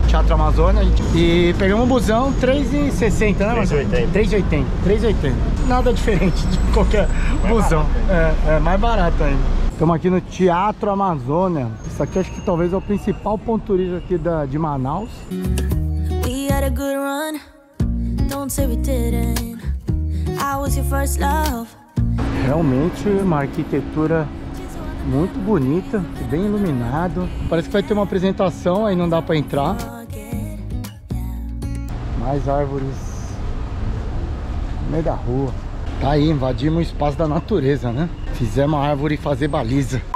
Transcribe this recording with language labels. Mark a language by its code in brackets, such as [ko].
[pt] Teatro Amazônia. E pegamos um busão 3,60, né, mano? 3,80. 3,80. Nada diferente de qualquer mais busão. Barato, é mais barato ainda. Estamos aqui no Teatro Amazônia. Isso aqui acho que talvez é o principal ponto turístico aqui de Manaus. [en] We had a good run. Don't say we didn't. I was your first love. [pt] Realmente uma arquitetura muito bonita, bem iluminado. Parece que vai ter uma apresentação, aí não dá para entrar. Mais árvores no meio da rua. Tá aí, invadimos o espaço da natureza, né? Fizemos a árvore fazer baliza.